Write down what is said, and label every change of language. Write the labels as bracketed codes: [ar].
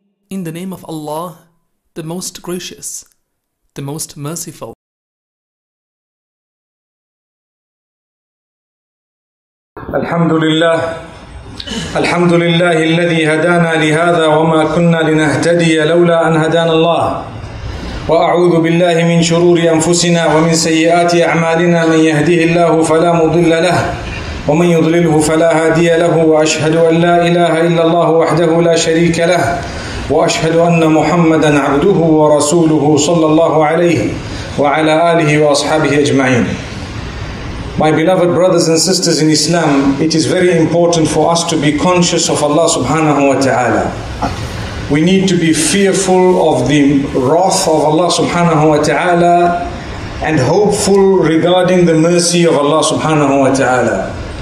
[en] In the name of Allah, the Most Gracious, the Most Merciful. [ar] الحمد لله الحمد لله الذي هدانا لهذا وما كنا لنهتدي لولا أن هدانا الله وأعوذ بالله من شرور أنفسنا ومن سيئات أعمالنا من يهده الله فلا مضل له ومن يضلله فلا هادي له وأشهد أن لا إله إلا الله وحده لا شريك له وأشهد أن محمدا عبده ورسوله صلى الله عليه وعلى آله وأصحابه أجمعين. [en] My beloved brothers and sisters in Islam, it is very important for us to be conscious of Allah subhanahu wa ta'ala. We need to be fearful of the wrath of Allah subhanahu wa ta'ala and hopeful regarding the mercy of Allah subhanahu wa ta'ala.